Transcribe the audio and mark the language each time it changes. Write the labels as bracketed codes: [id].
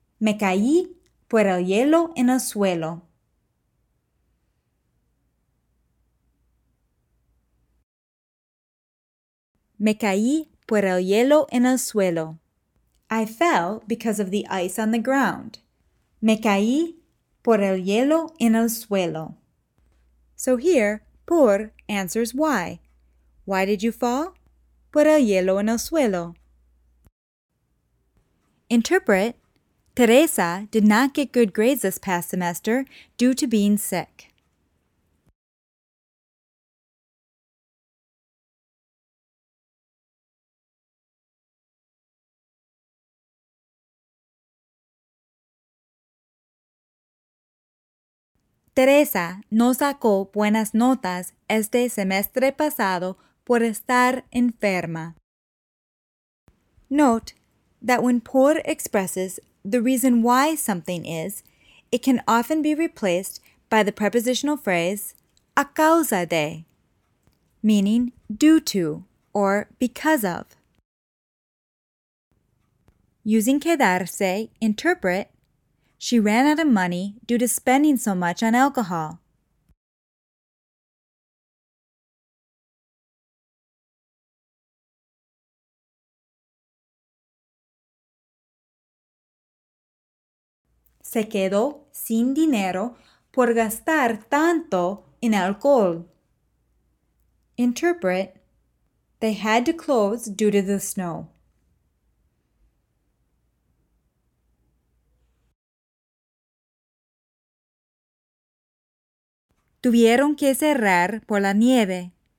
[es] Me caí por el hielo en el suelo. Me caí por el hielo en el suelo. [en] I fell because of the ice on the ground. [es] Me caí por el hielo en el suelo. [en] So here, por answers why. Why did you fall? [es] Por el hielo en el suelo. [en] Interpret, Teresa did not get good grades this past semester due to being sick. [es] Teresa no sacó buenas notas este semestre pasado por estar enferma. [en] Note that when por expresses the reason why something is, it can often be replaced by the prepositional phrase [es] a causa de, [en] meaning due to or because of. Using quedarse, interpret, she ran out of money due to spending so much on alcohol. [es] Se quedó sin dinero por gastar tanto en alcohol. [en] Interpret, they had to close due to the snow. [es] Tuvieron que cerrar por la nieve.